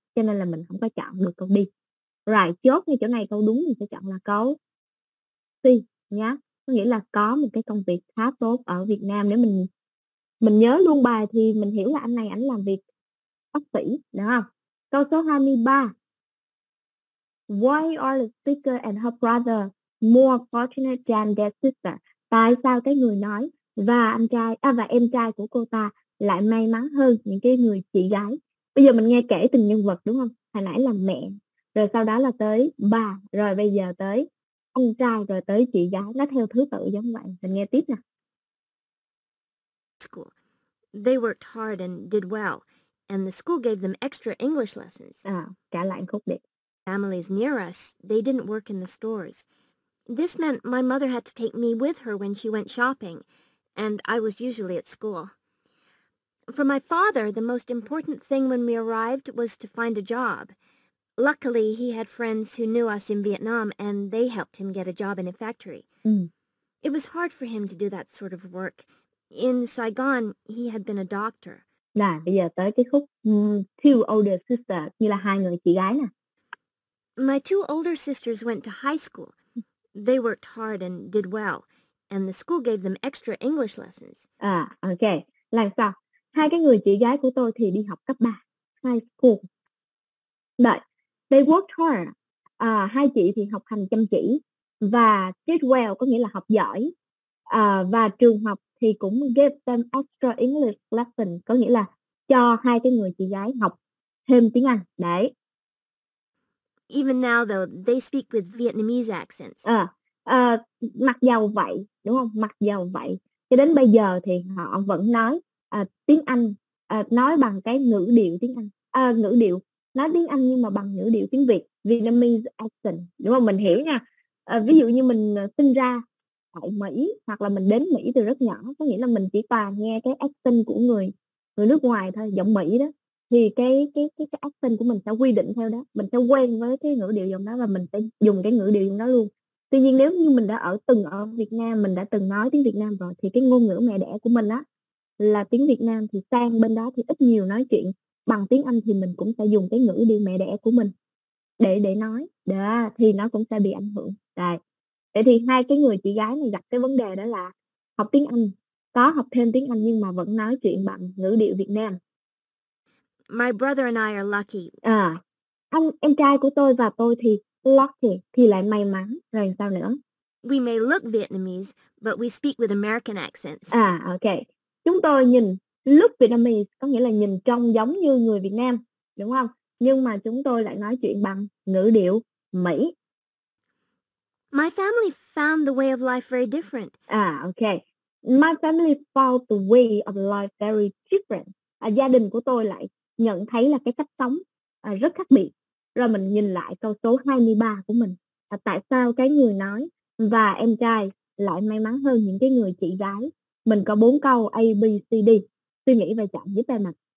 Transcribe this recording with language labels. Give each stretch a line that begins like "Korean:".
Vietnamese: Cho nên là mình không có chọn được câu D. Right. Chốt như chỗ này câu đúng mình sẽ chọn là câu C nhá. Có nghĩa là có một cái công việc khá tốt ở Việt Nam. Nếu mình nhớ luôn bài thì mình hiểu là anh này ảnh làm việc bác sĩ, đúng không? Câu số 23.
English: Why are the speaker and her brother more fortunate than their sister?
Vietnamese: Tại sao cái người nói và anh trai và em trai của cô ta lại may mắn hơn những cái người chị gái? Bây giờ mình nghe kể từng nhân vật, đúng không? Hồi nãy là mẹ, rồi sau đó là tới bà, rồi bây giờ tới ông trai, rồi tới chị gái, nó theo thứ tự giống vậy. Mình nghe tiếp nè.
English: School. They worked hard and did well, and the school gave them extra English lessons.
Vietnamese: Trả lại khúc đi.
English: Families near us, they didn't work in the stores. This meant my mother had to take me with her when she went shopping, and I was usually at school. For my father, the most important thing when we arrived was to find a job. Luckily, he had friends who knew us in Vietnam, and they helped him get a job in a factory. It was hard for him to do that sort of work. In Saigon, he had been a doctor.
Vietnamese: Nè, bây giờ tới cái khúc
English: two older sisters,
Vietnamese: như là hai người chị gái nè.
English: My two older sisters went to high school. They worked hard and did well, and the school gave them extra English lessons.
Vietnamese: Okay. Là sao? Hai cái người chị gái của tôi thì đi học cấp 3, high school. Đợi.
English: They worked hard.
Vietnamese: Hai chị thì học hành chăm chỉ. Và
English: did well
Vietnamese: có nghĩa là học giỏi. Và trường học thì cũng
English: gave them extra English lesson,
Vietnamese: có nghĩa là cho hai cái người chị gái học thêm tiếng Anh. Đấy.
English: Even now though, they speak with Vietnamese accents.
Vietnamese: Mặc dầu vậy, đúng không? Mặc dầu vậy, cho đến bây giờ thì họ vẫn nói tiếng Anh, nói bằng cái ngữ điệu tiếng Anh, ngữ điệu nói tiếng Anh nhưng mà bằng ngữ điệu tiếng Việt, Vietnamese accent, đúng không? Mình hiểu nha. Ví dụ như mình sinh ra tại Mỹ hoặc là mình đến Mỹ từ rất nhỏ, có nghĩa là mình chỉ toàn nghe cái accent của người nước ngoài thôi, giọng Mỹ đó, thì cái accent của mình sẽ quy định theo đó, mình sẽ quen với cái ngữ điệu giọng đó và mình sẽ dùng cái ngữ điệu giọng đó luôn. Tuy nhiên nếu như mình đã từng ở Việt Nam, mình đã từng nói tiếng Việt Nam rồi, thì cái ngôn ngữ mẹ đẻ của mình á là tiếng Việt Nam, thì sang bên đó thì ít nhiều nói chuyện bằng tiếng Anh thì mình cũng sẽ dùng cái ngữ điệu mẹ đẻ của mình để nói. Đó, thì nó cũng sẽ bị ảnh hưởng. Đấy. Vậy thì hai cái người chị gái này gặp cái vấn đề đó là học tiếng Anh, có học thêm tiếng Anh nhưng mà vẫn nói chuyện bằng ngữ điệu Việt Nam.
English: My brother and I are lucky.
Vietnamese: À, anh em trai của tôi và tôi thì lucky, thì lại may mắn. Rồi sao nữa?
English: We may look Vietnamese, but we speak with American accents.
Vietnamese: À, ok. Chúng tôi nhìn
English: look Vietnamese,
Vietnamese: có nghĩa là nhìn trông giống như người Việt Nam, đúng không? Nhưng mà chúng tôi lại nói chuyện bằng ngữ điệu Mỹ.
English: My family found the way of life very different.
Vietnamese: À, ok.
English: My family found the way of life very different.
Vietnamese: À, gia đình của tôi lại nhận thấy là cái cách sống rất khác biệt. Rồi mình nhìn lại câu số 23 của mình. Tại sao cái người nói và em trai lại may mắn hơn những cái người chị gái? Mình có 4 câu A, B, C, D. Suy nghĩ và chọn giúp em ạ.